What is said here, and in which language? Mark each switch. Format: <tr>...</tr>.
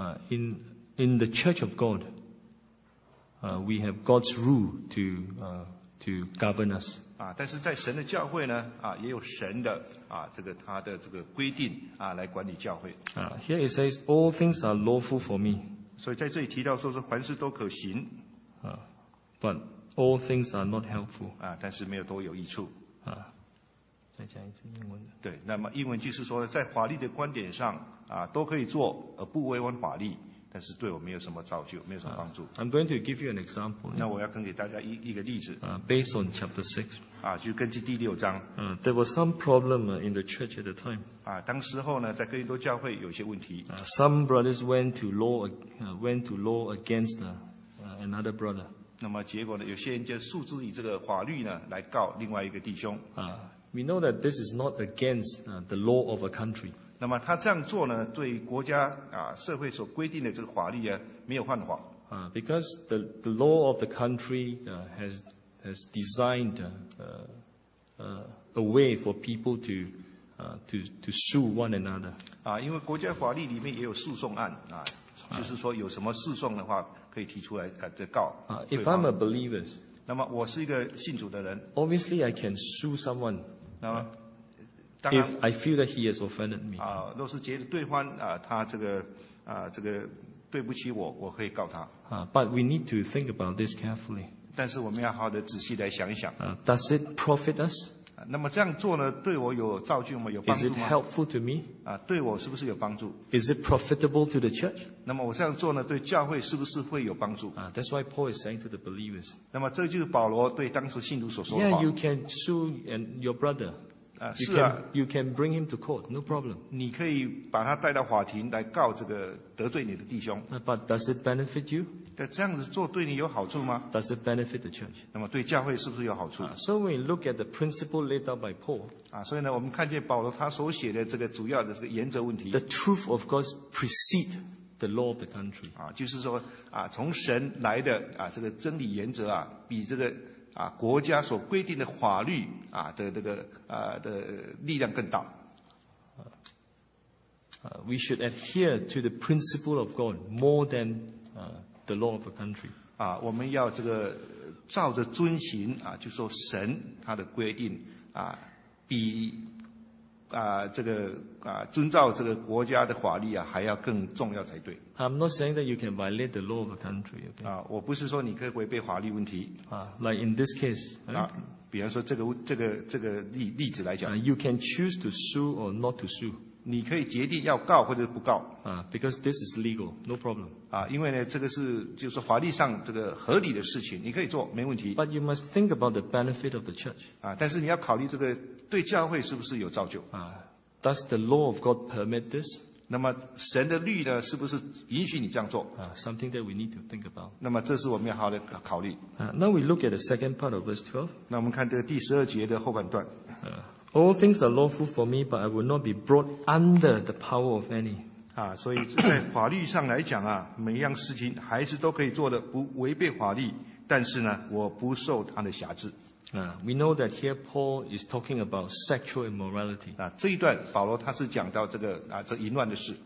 <en>In the Church of God, we have God's rule to govern us.</en> <zh>但是在神的教会呢, 也有神的, 他的这个规定,</zh> <en>Here it says, all things are lawful for me.</en> <zh>所以在这里提到说是凡事都可行,</zh> <en>but all things are not helpful.</en> <zh>但是没有多有益处。再讲一次英文的。对, 那么英文就是说, 在法律的观点上, 都可以做, 而不违反法律。但是对我没有什么造就, 没有什么帮助。</zh> <en>I'm going to give you an example.</en> <zh>那我要跟给大家一个例子。</zh> <en>Based on chapter 6.</en> <zh>就根据第六章。</zh> <en>There was some problem in the church at the time.</en> <zh>当时候呢, 在哥林多教会有些问题。</zh> <en>Some brothers went to law against another brother.</en> <zh>那么结果呢, 有些人就诉之以这个法律呢, 来告另外一个弟兄。</zh> <en>We know that this is not against the law of a country.</en> <zh>那么他这样做呢, 对国家, 社会所规定的这个法律啊, 没有犯法。</zh> <en>Because the law of the country has designed a way for people to sue one another.</en> <zh>因为国家法律里面也有诉讼案, 就是说有什么诉讼的话, 可以提出来, 告,</zh> <en>If I'm a believer,</en> <zh>那么我是一个信主的人,</zh> <en>obviously I can sue someone.</en> <zh>那么,</zh> <en>If I feel that he has offended me,</en> <zh>若是觉得对方, 他这个, 这个对不起我, 我可以告他。</zh> <en>But we need to think about this carefully.</en> <zh>但是我们要好的仔细来想一想。</zh> <en>Does it profit us?</en> <zh>那么这样做呢, 对我有造就吗, 有帮助吗?</zh> <en>Is it helpful to me?</en> <zh>对我是不是有帮助?</zh> <en>Is it profitable to the church?</en> <zh>那么我这样做呢, 对教会是不是会有帮助?</zh> <en>That's why Paul is saying to the believers.</en> <zh>那么这就是保罗对当时信徒所说的话。</zh> <en>Yeah, you can sue and your brother. You can bring him to court, no problem.</en> <zh>你可以把他带到法庭来告这个得罪你的弟兄。</zh> <en>But does it benefit you?</en> <zh>这样子做对你有好处吗?</zh> <en>Does it benefit the church?</en> <zh>那么对教会是不是有好处?</zh> <en>So when we look at the principle laid out by Paul,</en> <zh>所以呢，我们看见保罗他所写的这个主要的这个原则问题。</zh> <en>The truth of God precedes the law of the country.</en> <zh>就是说, 从神来的, 这个真理原则啊, 比这个, 国家所规定的法律, 的这个, 的力量更大。</zh> <en>We should adhere to the principle of God more than the law of a country.</en> <zh>我们要这个照着遵循, 就说神他的规定, 比, 这个, 遵照这个国家的法律, 还要更重要才对。</zh> <en>I'm not saying that you can violate the law of a country. Okay?</en> <zh>我不是说你可以违背法律问题。</zh> <en>Like in this case, right?</en> <zh>比方说这个例子来讲,</zh> <en>You can choose to sue or not to sue.</en> <zh>你可以决定要告或者不告,</zh> <en>because this is legal, no problem.</en> <zh>因为呢, 这个是, 就是法律上这个合理的事情, 你可以做, 没问题。</zh> <en>But you must think about the benefit of the church.</en> <zh>但是你要考虑这个对教会是不是有造就。</zh> <en>Does the law of God permit this?</en> <zh>那么神的律呢, 是不是允许你这样做?</zh> <en>Something that we need to think about.</en> <zh>那么这是我们要好的考虑。</zh> <en>Now we look at the second part of verse 12.</en> <zh>那我们看这个第十二节的后半段。</zh> <en>All things are lawful for me, but I will not be brought under the power of any.</en> <zh>所以在法律上来讲啊, 每样事情还是都可以做的, 不违背法律, 但是呢, 我不受他的辖制。</zh> <en>We know that here Paul is talking about sexual immorality.</en> <zh>这一段, 保罗他是讲到这个, 这淫乱的事。</zh>